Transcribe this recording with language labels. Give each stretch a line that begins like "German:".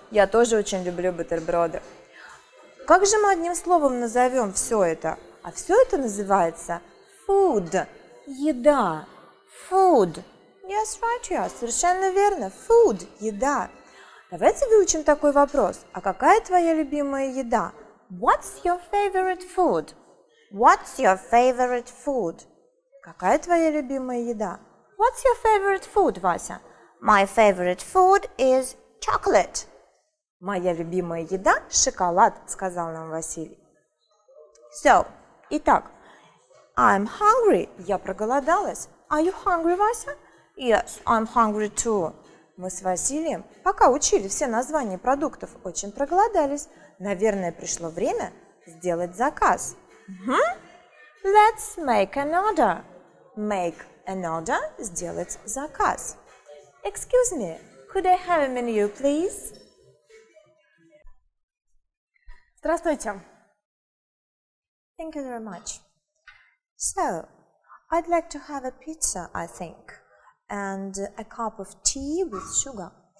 Russian: Я тоже очень люблю бутерброды. Как же мы одним словом назовем все это? А все это называется food. Еда.
English: Food. Yes, right here.
Russian: Совершенно верно.
English: Food.
Russian: Еда. Давайте выучим такой вопрос. А какая твоя любимая еда?
English: What's your favorite food? What's your favorite food?
Russian: Какая твоя любимая еда?
English: What's your favorite food, Вася? My favorite food is chocolate.
Russian: Моя любимая еда – шоколад, сказал нам Василий.
English: So,
Russian: итак,
English: I'm hungry.
Russian: Я проголодалась.
English: Are you hungry, Вася? Yes, I'm hungry too.
Russian: Мы с Василием, пока учили все названия продуктов, очень проголодались. Наверное, пришло время сделать заказ.
English: Let's make an order. Make an order –
Russian: сделать заказ.
English: Excuse me, could I have a menu, please?
Russian: Здравствуйте.
English: Thank you very much. So, I'd like to have a pizza, I think, and a cup of tea with sugar.